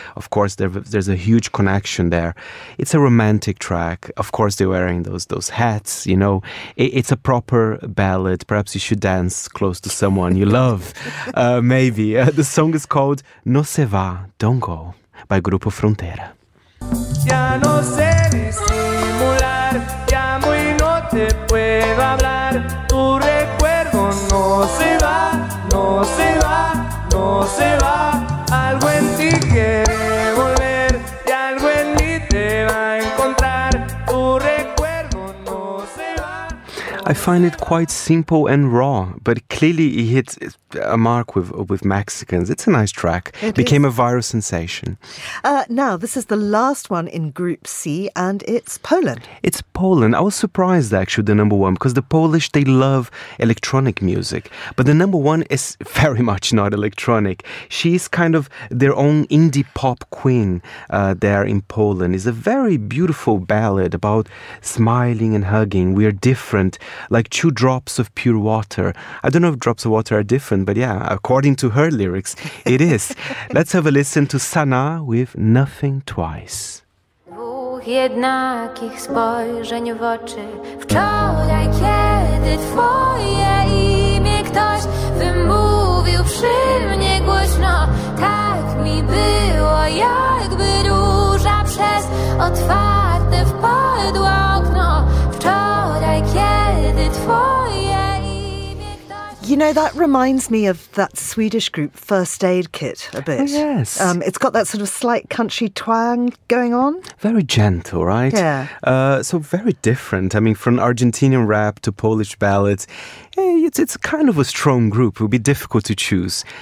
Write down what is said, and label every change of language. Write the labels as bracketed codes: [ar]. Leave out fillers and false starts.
[en] Of course, there's a huge connection there. It's a romantic track. Of course, they're wearing those hats, you know. It's a proper ballad. Perhaps you should dance close to someone you love. Maybe. The song is called No Se Va, Don't Go by Grupo Frontera. [es] Ya no sé disimular, llamo y no te puedo hablar. Tu recuerdo no se va, no se va, no se va. Algo en ti quiere volver y algo en mí te va a encontrar. Tu recuerdo no se va. [en] I find it quite simple and raw, but clearly it hits a mark with Mexicans. It's a nice track. It became is. A viral sensation. Now, this is the last one in Group C, and it's Poland. It's Poland. I was surprised, actually, the number one, because the Polish, they love electronic music. But the number one is very much not electronic. She's kind of their own indie pop queen there in Poland. It's a very beautiful ballad about smiling and hugging. We are different, like two drops of pure water. I don't know if drops of water are different, but yeah, according to her lyrics, it is. Let's have a listen to Sana with Nothing Twice. [pl] Dwóch jednakich spojrzeń w oczy wczoraj, kiedy twoje imię ktoś wymówił przy mnie głośno. Tak mi było, jakby róża przez otwarte wpadła okno. Wczoraj, kiedy twoje. [en] You know, that reminds me of that Swedish group First Aid Kit a bit. Oh, yes. It's got that sort of slight country twang going on. Very gentle, right? Yeah. So very different. I mean, from Argentinian rap to Polish ballads, it's kind of a strong group. It would be difficult to choose.